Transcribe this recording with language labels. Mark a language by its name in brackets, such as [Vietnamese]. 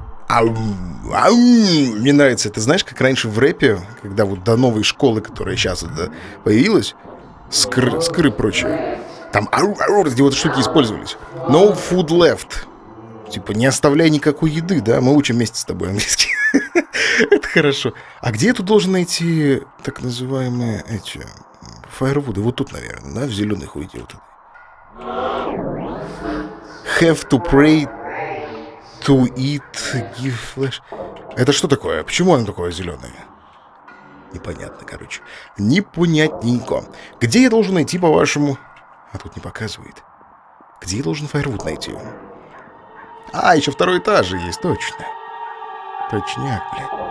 [Russian] Мне нравится, ты знаешь, как раньше в рэпе, когда вот до новой школы, которая сейчас это появилась, скры прочее, там где вот штуки использовались. [English] No food left. [Russian] Типа, не оставляй никакой еды, да? Мы учим вместе с тобой английский. Это хорошо. А где я тут должен найти так называемые эти... Фаервуды вот тут, наверное, да, в зеленых уйдет. [English] Have to pray to eat give flesh. [Russian] Это что такое? Почему оно такое зеленое? Непонятно, короче. Непонятненько. Где я должен найти, по-вашему? А тут не показывает. Где я должен фаервуд найти? А, еще второй этаж есть, точно. Точняк, блядь.